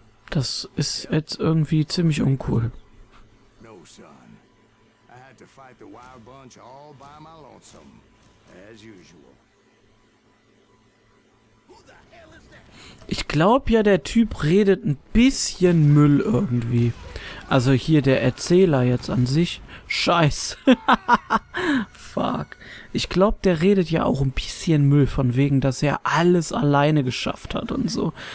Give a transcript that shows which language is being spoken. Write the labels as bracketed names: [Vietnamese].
[German] Das ist jetzt irgendwie ziemlich uncool. [English] No, son. I had to fight the wild bunch all by my lonesome, as usual. [German] Ich glaube ja, der Typ redet ein bisschen Müll irgendwie. Also hier der Erzähler jetzt an sich. Scheiße. Fuck. Ich glaube, der redet ja auch ein bisschen Müll von wegen, dass er alles alleine geschafft hat und so.